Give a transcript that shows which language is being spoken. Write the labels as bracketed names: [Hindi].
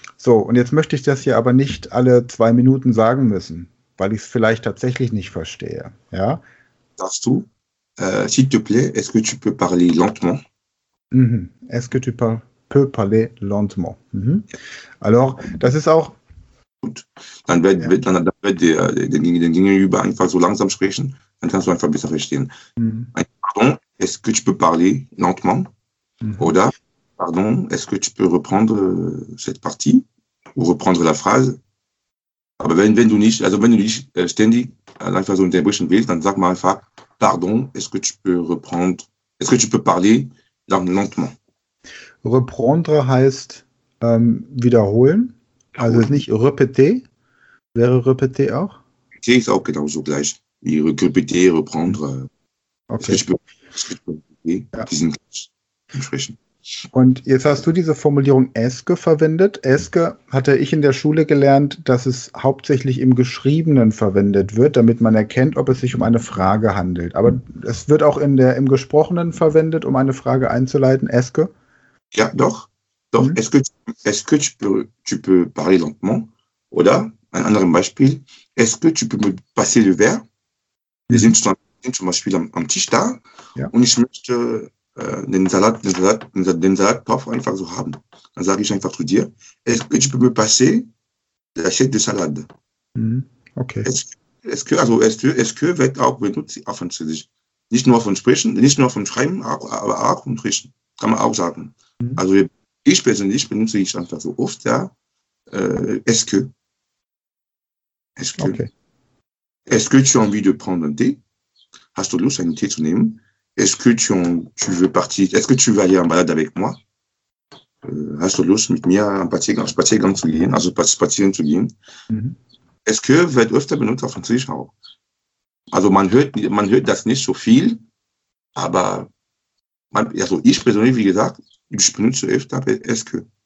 [German] So, und jetzt möchte ich das hier aber nicht alle 2 Minuten sagen müssen, weil ich es vielleicht tatsächlich nicht verstehe. Ja. Darfst du, [French] s'il te plaît, est-ce que tu peux parler lentement? Est-ce que tu peux parler lentement? [German] Alors, das ist auch. Dann wird den einfach so langsam sprechen, dann kannst du einfach besser verstehen. [French] Pardon, est-ce que tu peux parler lentement? Oda, pardon, est-ce que tu peux reprendre cette partie ou reprendre la phrase? [German] Aber wenn du nicht, also wenn du nicht ständig einfach so unterbrechen willst, dann sag mal einfach, [French] pardon, est-ce que tu peux reprendre, est-ce que tu peux parler lentement? [German] Reprendre heißt Wiederholen, also Wiederholen. nicht repeter, wäre repeter auch. Okay, ist auch genauso gleich. Die recuperer, reprendre. Es Okay. gibt Begriffe, die sind entsprechend. Und jetzt hast du diese Formulierung Eske verwendet. Eske hatte ich in der Schule gelernt, dass es hauptsächlich im Geschriebenen verwendet wird, damit man erkennt, ob es sich um eine Frage handelt. Aber es wird auch im Gesprochenen verwendet, um eine Frage einzuleiten. Eske? Ja, doch. [French] Doch, est-ce que tu peux parler lentement? [German] Oder ein anderes Beispiel, [French] est-ce que tu peux me passer le verre? [German] Wir sind zum Beispiel am Tisch da und ich möchte den Salat drauf einfach so haben. Dann sage ich einfach zu dir, [French] est-ce que tu peux me passer l'assiette de salade? [German] Okay. Est-ce que wird auch benutzt auf Französisch? Nicht nur von Sprechen, nicht nur von Schreiben, aber auch von Sprechen. Kann man auch sagen. Also ich persönlich benutze ich einfach so oft, ja. Okay. [French] Est-ce que tu as envie de prendre un thé? [German] Hast du Lust, einen Tee zu nehmen? [French] Est-ce que tu veux aller en balade avec moi? [German] Hast du Lust, mit mir einen Spaziergang zu gehen, also spazieren zu gehen? Est-ce que wird öfter benutzt auf Französisch auch? Also man hört das nicht so viel, aber also ich persönlich, wie gesagt, ich benutze öfter Eske.